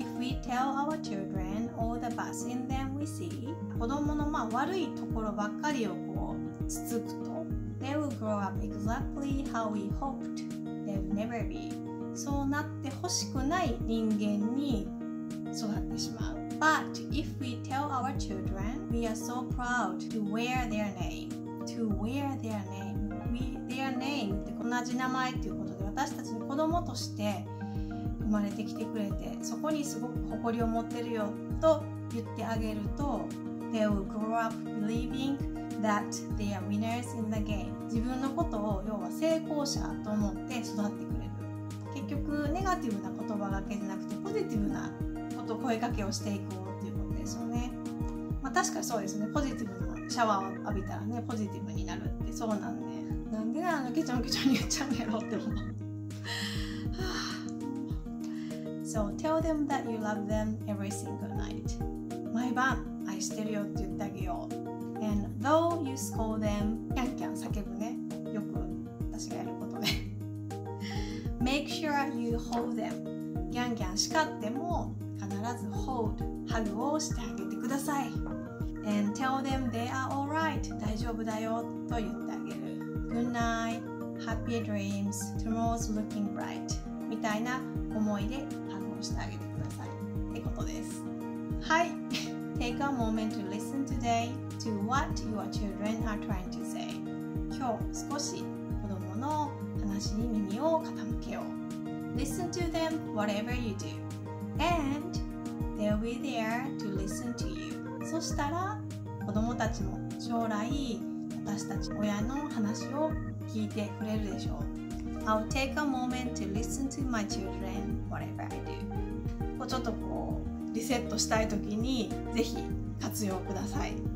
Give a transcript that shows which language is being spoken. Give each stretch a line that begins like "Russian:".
English: If we tell our children all the bad in them we see、
Japanese: 子供の悪いところばっかりをこうつつくと、
English: They will grow up exactly how we hoped they'd never be。
Japanese: そうなってほしくない人間に育ってしまう。
English: But if we tell our children, we are so proud to wear their name。 To wear their name、 their name
Japanese: って同じ名前っていうことで、私たちの子供として生まれてきてくれて、そこにすごく誇りを持ってるよと言ってあげると、
English: They will grow up believing that they are winners in the game。
Japanese: 自分のことを要は成功者と思って育ってくれる。結局ネガティブな言葉だけじゃなくてポジティブなこと、声かけをしていこうということですよね。確かにそうですね。ポジティブなシャワーを浴びたらね、ポジティブになるって、そうなんで、ね、なんでなのケチョンケチョンに言っちゃうんやろって思う。
English: So tell them that you love them every single night。
Japanese: 毎晩愛してるよって言ってあげよう。
English: And though you scold them、
Japanese: キャンキャン叫ぶね、よく私がやることで。
English: Make sure you hold them。
Japanese: キャンキャン叱っても必ず hold、 ハグをしてあげてください。
English: And tell them they are alright、
Japanese: 大丈夫だよと言ってあげる。
English: Good night、 Happy dreams、 Tomorrow's looking bright
Japanese: みたいな思いでハグをしてあげてくださいってことです。はい。
English: Take a moment to listen today to what your children are trying to say。
Japanese: 今日少し子供の話に耳を傾けよう。
English: Listen to them whatever you do and they'll be there to listen to you。
Japanese: そしたら子供たちも将来私たち親の話を聞いてくれるでしょう。
English: I'll take a moment to listen to my children whatever I do.
Japanese: ちょっとこうリセットしたいときにぜひ活用ください。